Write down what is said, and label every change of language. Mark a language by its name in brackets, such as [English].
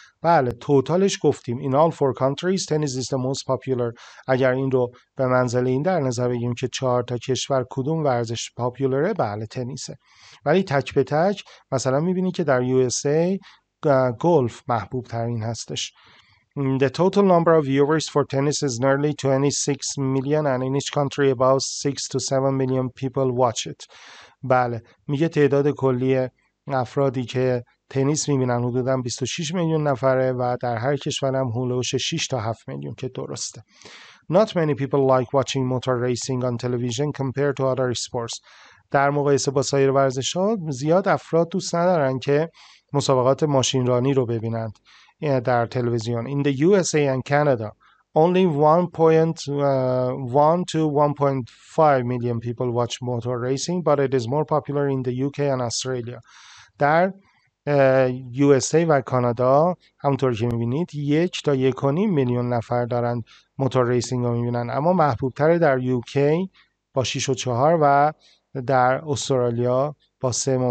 [Persian] بله توتالش گفتیم، [English] in all four countries tennis is the most popular. [Persian] اگر این رو به منزله این در نظر بگیم که چهار تا کشور کدوم ورزش پاپیولره، بله تنیسه. ولی تک به تک مثلا میبینی که در USA گلف محبوب ترین هستش. [English] The total number of viewers for tennis is nearly 26 million and in each country about 6 to 7 million people watch it. [Persian] بله میگه تعداد کلی افرادی که تنیس میبینن حدودا 26 میلیون نفره و در هر کشور هم هولوش 6 تا 7 میلیون، که درسته. [English] Not many people like watching motor racing on television compared to other sports. [Persian] در مقایسه با سایر ورزش ها زیاد افراد دوست ندارن که مسابقات ماشینرانی رو ببینند در تلویزیون. [English] In the USA and Canada only 1.1 to 1.5 million people watch motor racing, but it is more popular in the UK and Australia. [Persian] در USA و کانادا همونطور که میبینید 1 تا 1.5 میلیون نفر دارن موتور ریسینگ رو میبینن، اما محبوب تر در UK با 6.4 و در استرالیا با 3.7.